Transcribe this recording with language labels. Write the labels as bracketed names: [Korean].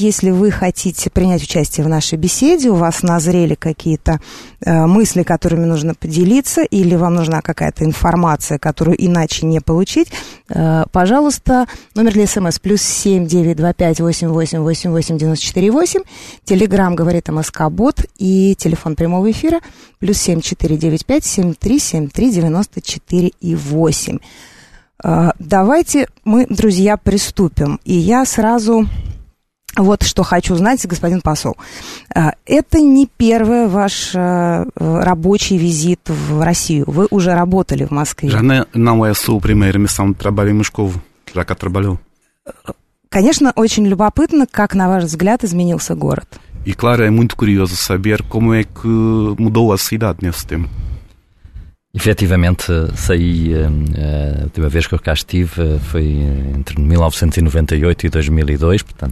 [Russian] Если вы хотите принять участие в нашей беседе, у вас назрели какие-то мысли, которыми нужно поделиться, или вам нужна какая-то информация, которую иначе не получить, пожалуйста, номер для смс плюс 7-925-88-88-94-8, телеграмм говорит МСК-бот и телефон прямого эфира плюс 7-495-73-73-94-8. Давайте мы, друзья, приступим. И я сразу вот что хочу узнать, господин посол. Это не первый ваш рабочий визит в Россию. Вы уже работали в Москве. [Portuguese] Já não é só o primeiro, mas também trabalhei em Moscou. Já cá trabalhou. [Russian] Конечно, очень любопытно, как, на ваш взгляд, изменился город. [Portuguese] И, claro, é muito curioso saber como é que mudou a cidade nesse tempo. Efetivamente, saí, a última vez que eu cá estive foi entre 1998 e 2002,